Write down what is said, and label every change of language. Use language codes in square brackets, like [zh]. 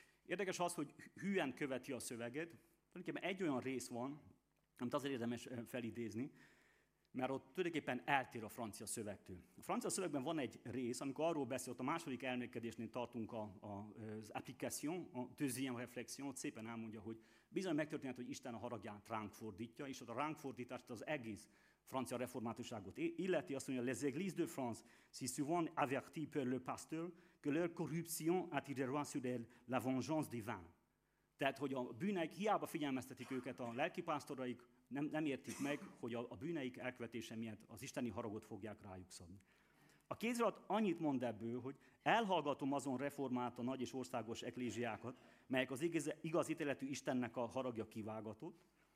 [hu] Érdekes az, hogy hűen követi a szöveget. Tulajdonképpen egy olyan rész van, amit azért érdemes felidézni, mert ott tulajdonképpen eltér a francia szövegtől. A francia szövegben van egy rész, amikor arról beszél, a második elmélkedésnél tartunk az application, a [fr] deuxième réflexion, [hu] ott szépen elmondja, hogy bizony megtörténhet, hogy Isten a haragját ránk fordítja, és ott a ránk fordítást az egész francia reformátusságot illeti, azt mondja, [fr] les églises de France si souvent avertis par le pasteur que leur corruption attirera sur elle la vengeance divine. [hu] Tehát, hogy a bűneik, hiába figyelmeztetik őket a lelkipásztoraik, nem értik meg, hogy a bűneik elkövetése miatt az isteni haragot fogják rájuk szabni. A kézirat annyit mond ebből, hogy elhallgatom azon reformált a nagy és országos eklézsiákat, melyek az igaz ítéletű Istennek a haragja kivágatott.